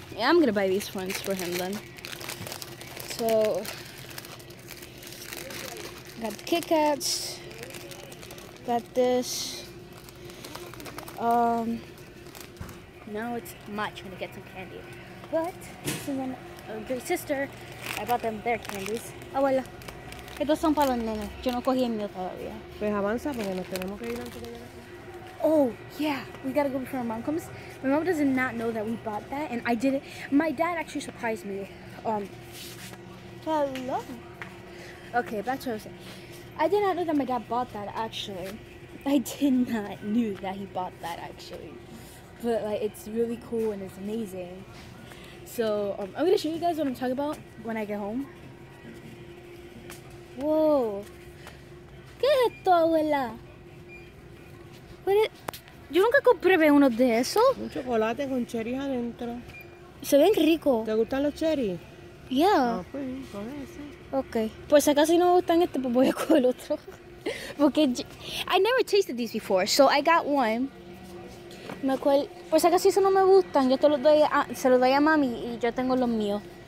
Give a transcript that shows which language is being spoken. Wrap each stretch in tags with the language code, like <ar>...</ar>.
<en>Yeah, I'm gonna buy these ones for him then. So, got the Kit Kats, got this. Now it's my turn to get some candy. But, since I'm a great sister, I bought them their candies.</en> <es>Abuela, estos son para los nenes. Yo no cogí el mío todavía. Pues avanza porque nos tenemos que ir antes de llegar.</es> <en>Oh, yeah, we gotta go before our mom comes. My mom does not know that we bought that, and I did it. My dad actually surprised me. Hello. Okay, back to what I was saying. I did not know that my dad bought that, actually. I did not knew that he bought that, actually. But, like, it's really cool and it's amazing. So, I'm gonna show you guys what I'm talking about when I get home.</en> <es>Whoa. ¿Qué es esto, abuela? Yo nunca compré uno de eso. Un chocolate con cherries adentro. Se ven rico. ¿Te gustan los cherries?</es> <en>Yeah.</en> <es>Ah, pues, con ese.</es> <en>Okay.</en> <es>Pues acaso no me gustan este, pues voy a coger el otro.</es> <en>Porque I never tasted these before, so I got one.</en> <es>Me acuerdo. Pues acaso eso no me gustan, yo te los doy a, se los doy a mami y yo tengo los míos.</es>